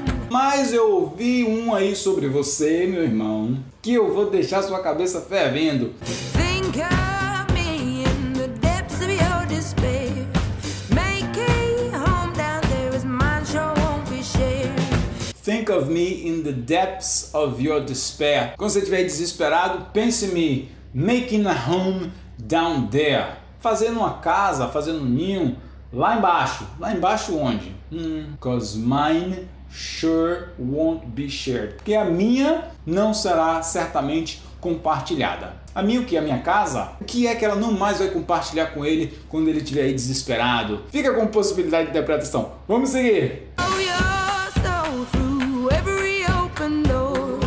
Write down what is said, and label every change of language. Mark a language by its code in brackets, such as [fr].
[pt] Mas eu ouvi um aí sobre você, meu irmão, que eu vou deixar sua cabeça fervendo. [en] Think of me in the depths of your despair. Making home down there is mine, sure won't be shared. Think of me in the depths of your despair. [pt] Quando você estiver desesperado, pense em mim. [en] Making a home down there. [pt] Fazendo uma casa, fazendo um ninho lá embaixo. Lá embaixo onde? [en] Cause mine sure won't be shared. [pt] Porque a minha não será certamente compartilhada. A minha o que? A minha casa? O que é que ela não mais vai compartilhar com ele quando ele estiver aí desesperado? Fica com possibilidade de interpretação. Vamos seguir! [en] Oh, you're so through every open door.